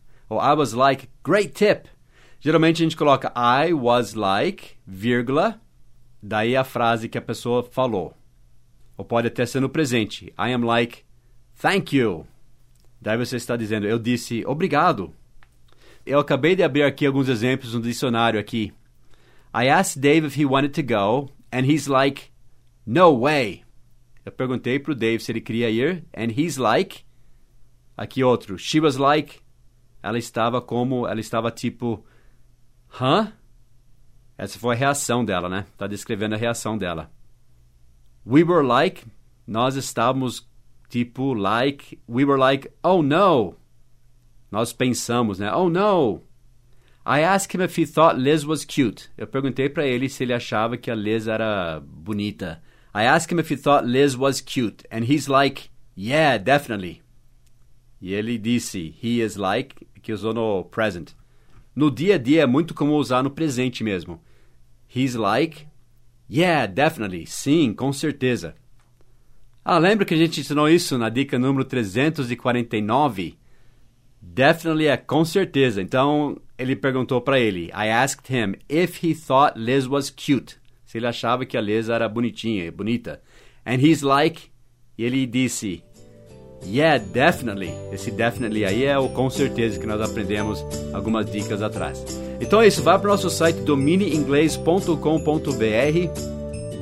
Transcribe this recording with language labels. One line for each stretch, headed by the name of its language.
Portuguese: Ou I was like,
English: great tip!
Portuguese: Geralmente a gente coloca I was like, vírgula, daí a frase que a pessoa falou. Ou pode até ser no presente.
English: I am like, thank you!
Portuguese: Daí você está dizendo, eu disse, obrigado! Eu acabei de abrir aqui alguns exemplos no dicionário aqui.
English: I asked Dave if he wanted to go... And he's like, no way.
Portuguese: Eu perguntei pro Dave se ele queria ir.
English: And he's like,
Portuguese: aqui outro,
English: she was like,
Portuguese: ela estava tipo,
English: huh?
Portuguese: Essa foi a reação dela, né? Tá descrevendo a reação dela.
English: We were like,
Portuguese: nós estávamos tipo
English: like, we were like, oh no.
Portuguese: Nós pensamos, né?
English: Oh no. I asked him if he thought Liz was cute.
Portuguese: Eu perguntei para ele se ele achava que a Liz era bonita.
English: I asked him if he thought Liz was cute. And he's like, yeah, definitely.
Portuguese: E ele disse,
English: he is like,
Portuguese: que usou no present. No dia a dia é muito comum usar no presente mesmo.
English: He's like, yeah, definitely.
Portuguese: Sim, com certeza. Ah, lembra que a gente ensinou isso na dica número 349? Definitely é com certeza. Então, ele perguntou para ele.
English: I asked him if he thought Liz was cute.
Portuguese: Se ele achava que a Liz era bonitinha, bonita.
English: And he's like,
Portuguese: e ele disse,
English: yeah, definitely.
Portuguese: Esse definitely aí é o com certeza que nós aprendemos algumas dicas atrás. Então é isso. Vá para o nosso site domineinglês.com.br.